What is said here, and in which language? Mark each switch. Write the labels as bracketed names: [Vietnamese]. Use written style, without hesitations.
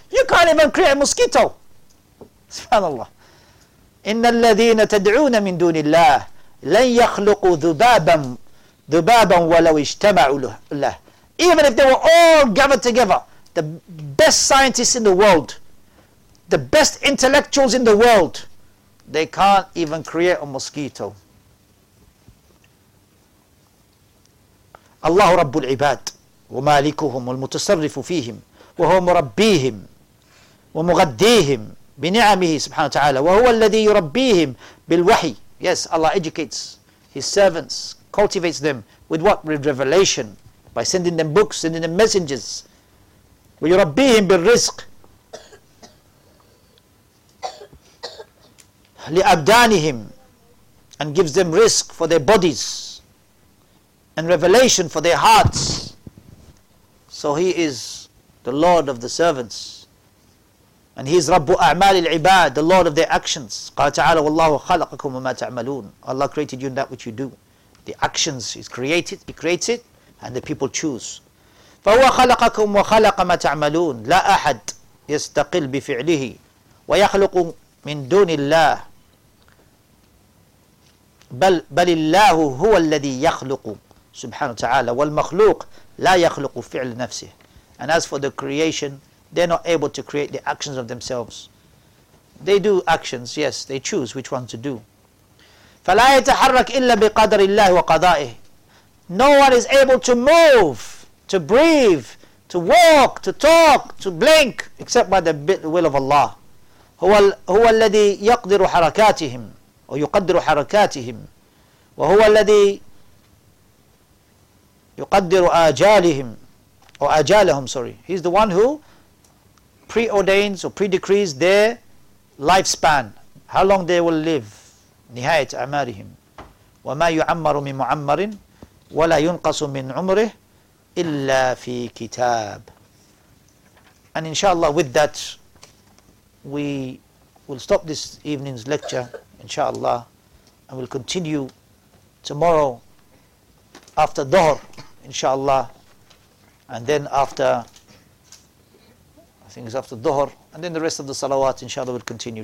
[English] You can't even create a mosquito. Subhanallah. [Arabic] إِنَّ الَّذِينَ تَدْعُونَ مِن دُونِ اللَّهِ لَنْ يَخْلُقُوا ذُبَابًا وَلَوْ اجْتَمَعُوا لَهِ. [English] Even if they were all gathered together, the best scientists in the world, the best intellectuals in the world, they can't even create a mosquito. Allah Rabbul Ibad. [Arabic] ومالكهم والمتصرف فيهم وهو مربيهم ومغديهم بنعمه سبحانه وتعالى وهو الذي يربيهم بالوحي. [English] Yes, Allah educates his servants, cultivates them with what? With revelation, by sending them books, sending them messengers. [Arabic] ويربيهم بالرزق لأبدانهم, [English] and gives them risk for their bodies and revelation for their hearts. So he is the Lord of the servants. And he is Rabbu A'mal al-Ibad, the Lord of their actions. [Arabic] قَالَ تَعَالَ وَاللَّهُ خَلَقَكُمْ وَمَا تَعْمَلُونَ. [English] Allah created you in that which you do. The actions is created, he creates it, and the people choose. [Arabic] فَهُوَ خَلَقَكُمْ وَخَلَقَ مَا تَعْمَلُونَ لَا أَحَدْ يَسْتَقِلْ بِفِعْلِهِ وَيَخْلُقُ مِن دُونِ اللَّهِ بَلِ اللَّهُ هُوَ الَّذِي يَخْلُقُ سُبْحَانَهُ وَتَعَالَى وَالْمَخْلُوقُ لا يخلق فعل نفسه. [English] And as for the creation, they're not able to create the actions of themselves. They do actions, yes, they choose which one to do. [Arabic] فلا يتحرك إلا بقدر الله وقضائه. [English] No one is able to move, to breathe, to walk, to talk, to blink, except by the will of Allah. [Arabic] هو الذي يقدر حركاتهم أو يقدر حركاتهم وهو الذي يقدر آجالهم أو آجالهم, sorry. [English] He's the one who preordains or predecrees their lifespan, how long they will live. [Arabic] نهاية أعمارهم. وما يعمر من معمر ولا ينقص من عمره إلا في كتاب. [English] And inshallah, with that, we will stop this evening's lecture, inshallah, and we'll continue tomorrow after Dhuhr, inshallah, and then after, I think it's after Dhuhr, and then the rest of the salawat, inshallah, will continue.